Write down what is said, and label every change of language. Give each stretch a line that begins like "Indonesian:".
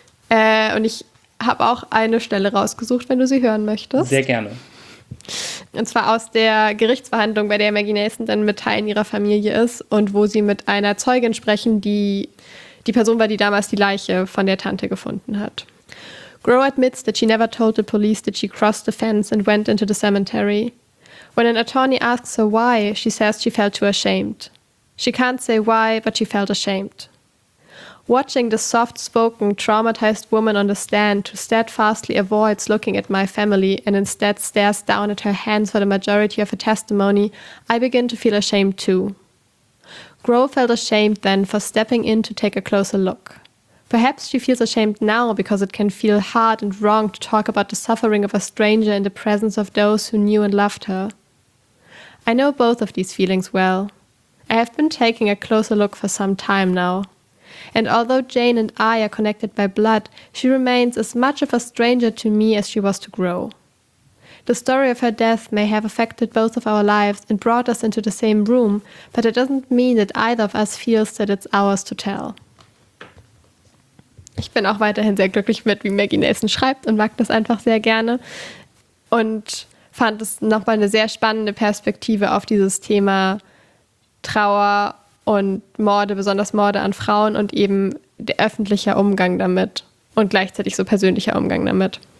German: Und ich habe auch eine Stelle rausgesucht, wenn du sie hören möchtest. Sehr gerne. Und zwar aus der Gerichtsverhandlung, bei der Maggie Nelson dann mit Teilen ihrer Familie ist und wo sie mit einer Zeugin sprechen, die die Person war, die damals die Leiche von der Tante gefunden hat.
English: Grow admits that she never told the police that she crossed the fence and went into the cemetery. When an attorney asks her why, she says she felt too ashamed. She can't say why, but she felt ashamed. Watching the soft-spoken, traumatized woman on the stand who steadfastly avoids looking at my family and instead stares down at her hands for the majority of her testimony, I begin to feel ashamed too. Grow felt ashamed then for stepping in to take a closer look. Perhaps she feels ashamed now because it can feel hard and wrong to talk about the suffering of a stranger in the presence of those who knew and loved her. I know both of these feelings well. I have been taking a closer look for some time now. And although Jane and I are connected by blood, she remains as much of a stranger to me as she was to Grow. The story of her death may have affected both of our lives and brought us into the same room, but it doesn't mean that either of us feels that it's ours to tell.
German: Ich bin auch weiterhin sehr glücklich mit, wie Maggie Nelson schreibt und mag das einfach sehr gerne und fand es nochmal eine sehr spannende Perspektive auf dieses Thema Trauer und Morde, besonders Morde an Frauen und eben der öffentliche Umgang damit und gleichzeitig so persönlicher Umgang damit.